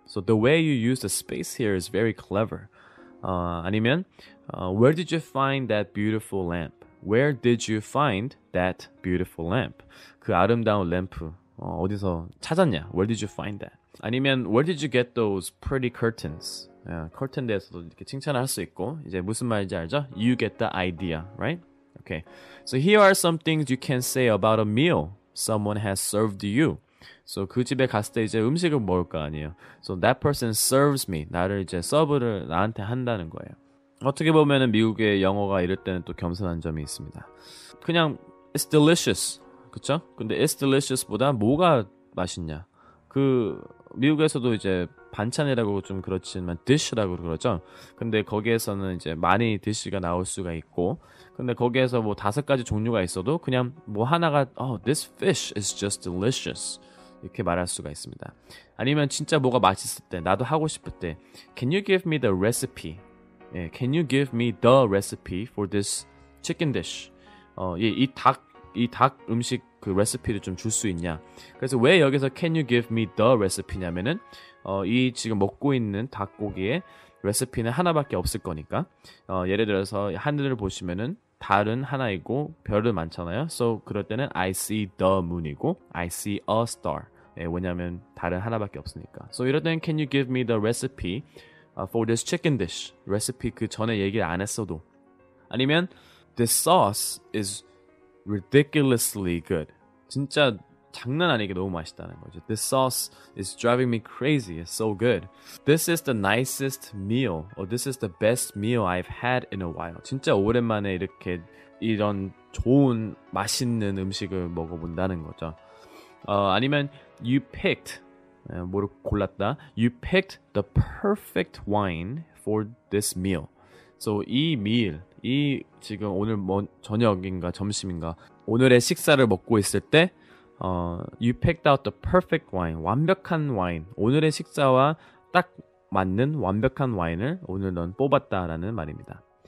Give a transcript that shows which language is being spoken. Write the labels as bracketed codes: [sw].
[en] So the way you use the space here is very clever. 아니면 where did you find that beautiful lamp? Where did you find that beautiful lamp? [ko] 그 아름다운 램프 어디서 찾았냐? [en] Where did you find that? [ko] 아니면 [en] where did you get those pretty curtains? [ko] 커튼 대해서도 이렇게 칭찬을 할 수 있고 이제 무슨 말인지 알죠? [en] You get the idea, right? Okay, so here are some things you can say about a meal someone has served you. [ko] So 그 집에 갔을 때 이제 음식을 먹을 거 아니에요. [en] So that person serves me. [ko] 나를 이제 서브를 나한테 한다는 거예요. 어떻게 보면은 미국의 영어가 이럴 때는 또 겸손한 점이 있습니다. 그냥 [en] it's delicious, [ko] 그렇죠? 근데 [en] it's delicious [ko] 보다 뭐가 맛있냐? 그 미국에서도 이제 반찬이라고 좀 그렇지만 dish라고 그러죠. 근데 거기에서는 이제 많이 dish가 나올 수가 있고 근데 거기에서 뭐 다섯 가지 종류가 있어도 그냥 뭐 하나가 [en] oh, this fish is just delicious [ko] 이렇게 말할 수가 있습니다. 아니면 진짜 뭐가 맛있을 때 나도 하고 싶을 때 [en] can you give me the recipe? [ko] 예, [en] can you give me the recipe for this chicken dish? [ko] 예, 이 닭 음식 그 레시피를 좀 줄 수 있냐. 그래서 왜 여기서 [en] can you give me the recipe [ko] 냐면은 이 지금 먹고 있는 닭고기의 레시피는 하나밖에 없을 거니까 예를 들어서 하늘을 보시면은 달은 하나이고 별은 많잖아요. [en] So [ko] 그럴 때는 [en] I see the moon이고 I see a star. [ko] 예, 왜냐하면 달은 하나밖에 없으니까. [en] So [ko] 이럴 때는 [en] can you give me the recipe for this chicken dish? [ko] 레시피 그 전에 얘기를 안 했어도 아니면 [en] this sauce is ridiculously good. [ko] 진짜 장난 아니게 너무 맛있다는 거죠. [en] This sauce is driving me crazy. It's so good. This is the nicest meal. Or this is the best meal I've had in a while. [ko] 진짜 오랜만에 이렇게 이런 좋은 맛있는 음식을 먹어본다는 거죠. 아니면 [en] you picked [ko] 뭐를 골랐다. [en] You picked the perfect wine for this meal. [ko] So 이 meal 이 지금 오늘 뭐 저녁인가 점심인가 오늘의 식사를 먹고 있을 때 [en] you picked out the perfect wine [ko] 완벽한 와인 오늘의 식사와 딱 맞는 완벽한 와인을 오늘 넌 뽑았다라는 말입니다.